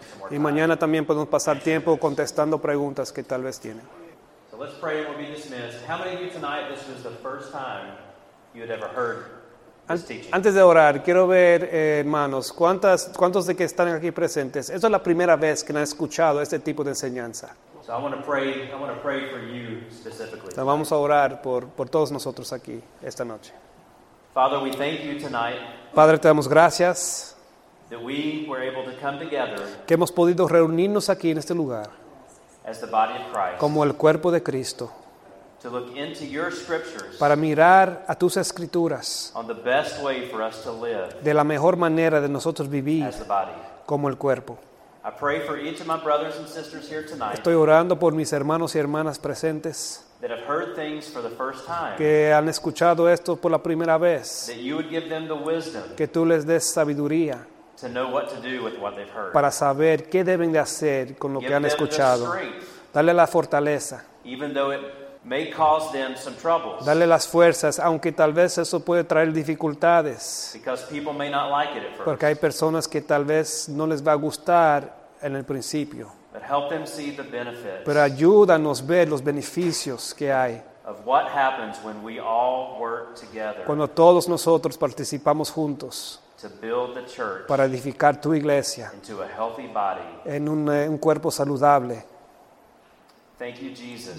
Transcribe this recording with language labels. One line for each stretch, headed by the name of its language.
Spanish: Y mañana también podemos pasar tiempo contestando preguntas que tal vez tienen.
English: So let's pray and we'll be dismissed. How many of you tonight, this was the first time you had ever heard?
Spanish: Antes de orar, quiero ver, hermanos, ¿cuántos de que están aquí presentes? Esta es la primera vez que han escuchado este tipo de enseñanza.
English: So I want to pray for you specifically.
Spanish: Entonces, vamos a orar por todos nosotros aquí esta noche.
English: Father, we thank you tonight.
Spanish: Padre, te damos gracias
English: that we were able to come together
Spanish: que hemos podido reunirnos aquí en este lugar
English: as the body of Christ.
Spanish: Como el cuerpo de Cristo.
English: To look into your scriptures,
Spanish: para mirar a tus escrituras
English: on the best way for us to live,
Spanish: de la mejor manera de nosotros vivir
English: as the body.
Spanish: Como el cuerpo.
English: I pray for each of my brothers and sisters here tonight,
Spanish: estoy orando por mis hermanos y hermanas presentes
English: that have heard things for the first time,
Spanish: que han escuchado esto por la primera vez
English: that you would give them the wisdom,
Spanish: que tú les des sabiduría
English: to know what to do with what they've heard.
Spanish: Para saber qué deben de hacer con lo
English: give
Spanish: que han
English: them
Spanish: escuchado
English: the strength,
Spanish: dale la fortaleza
English: even though it may cause them some troubles.
Spanish: Dale las fuerzas, aunque tal vez eso puede traer dificultades.
English: Because people may not like it at first.
Spanish: Porque hay personas que tal vez no les va a gustar en el principio.
English: But help them see the benefits.
Spanish: Pero ayúdanos ver los beneficios que hay.
English: Of what happens when we all work together.
Spanish: Cuando todos nosotros participamos juntos.
English: To build the church.
Spanish: Para edificar tu iglesia.
English: Into a healthy body.
Spanish: En un cuerpo saludable.
English: Thank you, Jesus.